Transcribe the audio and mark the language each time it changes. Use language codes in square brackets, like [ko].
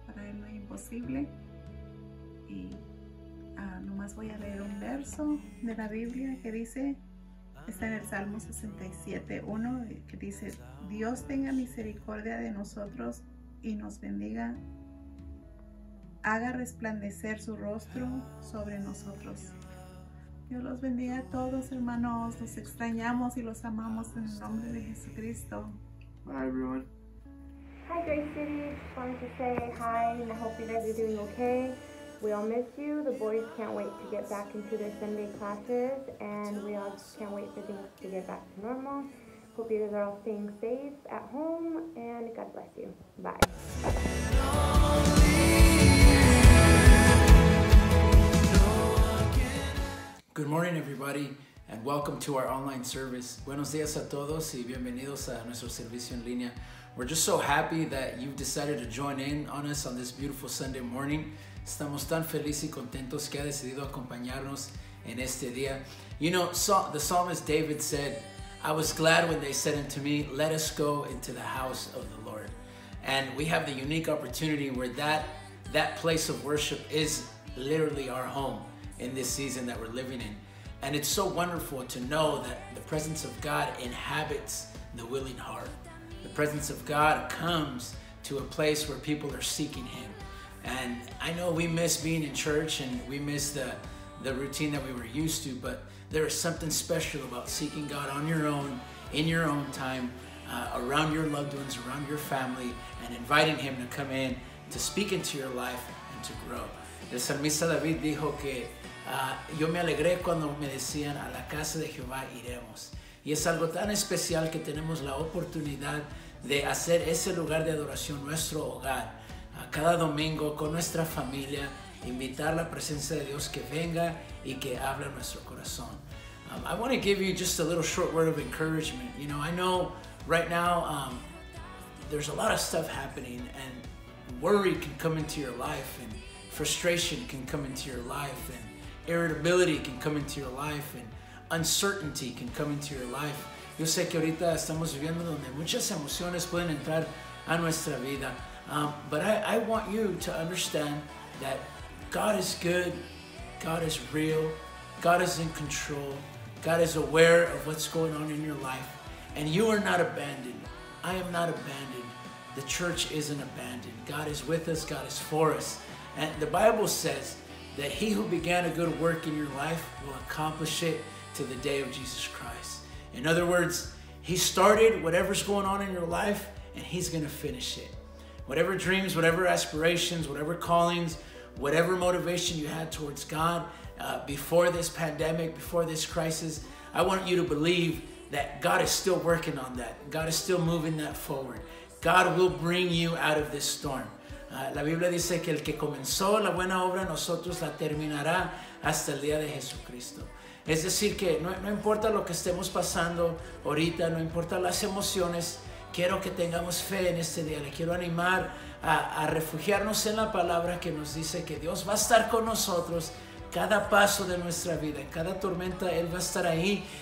[es] Para Él no es imposible. Y nomás voy a leer un verso de la Biblia que dice, está en el Salmo 67:1, que dice: Dios tenga misericordia de nosotros y nos bendiga. Haga resplandecer su rostro sobre nosotros. Dios los bendiga a todos, hermanos. Los extrañamos y los amamos en el nombre de Jesucristo. [en] Bye, everyone. Hi, Grace City. Wanted to say hi and I hope you guys are doing okay. We all miss you. The boys can't wait to get back into their Sunday classes, and we all can't wait for things to get back to normal. Hope you guys are all staying safe at home, and God bless you. Bye. morning, everybody, and welcome to our online service. Buenos días a todos y bienvenidos a nuestro servicio en línea. We're just so happy that you've decided to join in on us on this beautiful Sunday morning. Estamos tan felices y contentos que ha decidido acompañarnos en este día. You know, the psalmist David said, I was glad when they said unto me, let us go into the house of the Lord. And we have the unique opportunity where that place of worship is literally our home in this season that we're living in. And it's so wonderful to know that the presence of God inhabits the willing heart. The presence of God comes to a place where people are seeking Him. And I know we miss being in church and we miss the routine that we were used to, but there is something special about seeking God on your own, in your own time, around your loved ones, around your family, and inviting Him to come in to speak into your life and to grow. [es] El salmista David dijo que yo me alegré cuando me decían a la casa de Jehová iremos. Y es algo tan especial que tenemos la oportunidad de hacer ese lugar de adoración nuestro hogar. Cada domingo con nuestra familia, invitar la presencia de Dios que venga y que hable nuestro corazón. [en] I want to give you just a little short word of encouragement. You know, I know right now there's a lot of stuff happening and worry can come into your life and frustration can come into your life and irritability can come into your life and uncertainty can come into your life. [es] Yo sé que ahorita estamos viviendo donde muchas emociones pueden entrar a nuestra vida. [en] But I want you to understand that God is good, God is real, God is in control, God is aware of what's going on in your life, and you are not abandoned. I am not abandoned. The church isn't abandoned. God is with us, God is for us. And the Bible says that he who began a good work in your life will accomplish it to the day of Jesus Christ. In other words, he started whatever's going on in your life, and he's gonna finish it. Whatever dreams, whatever aspirations, whatever callings, whatever motivation you had towards God before this pandemic, before this crisis, I want you to believe that God is still working on that. God is still moving that forward. God will bring you out of this storm. [es] La Biblia dice que el que comenzó la buena obra en nosotros la terminará hasta el día de Jesucristo. Es decir que no importa lo que estemos pasando ahorita, no importa las emociones, quiero que tengamos fe en este día. Le quiero animar a refugiarnos en la palabra que nos dice que Dios va a estar con nosotros cada paso de nuestra vida, cada tormenta, Él va a estar ahí.